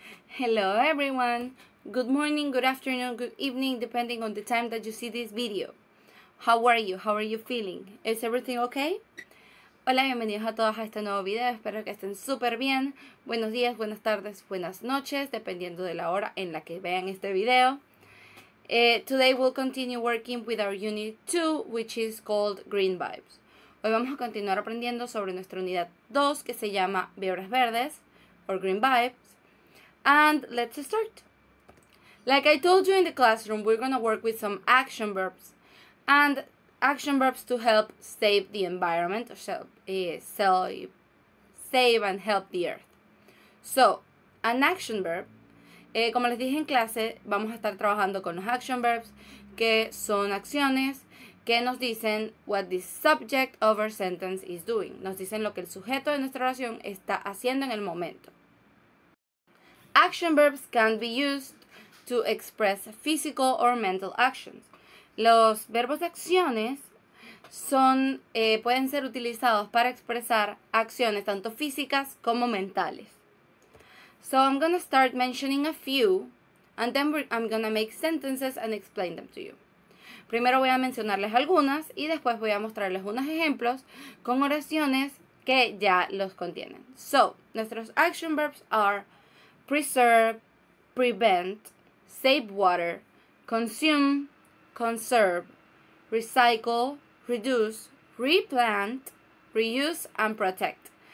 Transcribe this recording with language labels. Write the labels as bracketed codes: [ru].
[en] Hello everyone, good morning, good afternoon, good evening, depending on the time that you see this video. How are you? How are you feeling? Is everything okay? [es] Hola, bienvenidos a todos a este nuevo video, espero que estén súper bien. Buenos días, buenas tardes, buenas noches, dependiendo de la hora en la que vean este video. [en] Today we'll continue working with our unit 2, which is called Green Vibes. [es] Hoy vamos a continuar aprendiendo sobre nuestra unidad 2, que se llama Vibras Verdes, [en] or Green Vibes. And let's start. Like I told you in the classroom, we're going to work with some action verbs. And action verbs to help save the environment, or save and help the earth. So, an action verb, [es] como les dije en clase, vamos a estar trabajando con los action verbs, que son acciones que nos dicen [en] what the subject of our sentence is doing. [es] Nos dicen lo que el sujeto de nuestra oración está haciendo en el momento. [en] Action verbs can be used to express physical or mental actions. [es] Los verbos de acciones son, pueden ser utilizados para expresar acciones tanto físicas como mentales. [en] So I'm going to start mentioning a few and then I'm going to make sentences and explain them to you. [es] Primero voy a mencionarles algunas y después voy a mostrarles unos ejemplos con oraciones que ya los contienen. [en] So, [es] nuestros [en] action verbs are preserve, prevent, save water, consume, conserve, recycle, reduce, replant, reuse, and protect.